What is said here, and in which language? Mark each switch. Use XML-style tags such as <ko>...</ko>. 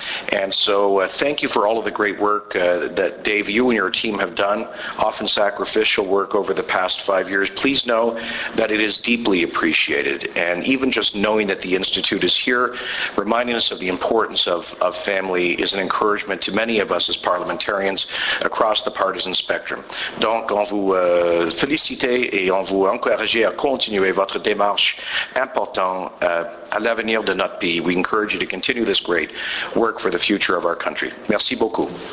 <en>And so thank you for all of the great work that Dave, you and your team have done, often sacrificial work over the past 5 years. Please know that it is deeply appreciated. And even just knowing that the Institute is here, reminding us of the importance of family is an encouragement to many of us as parliamentarians across the partisan spectrum.</en> <fr>Donc, on vous félicite et on vous encourage à continuer votre démarche importante à l'avenir de notre pays.</fr> <en>We encourage you to continue this great work for the future of our country.</en> <fr>Merci beaucoup.</fr>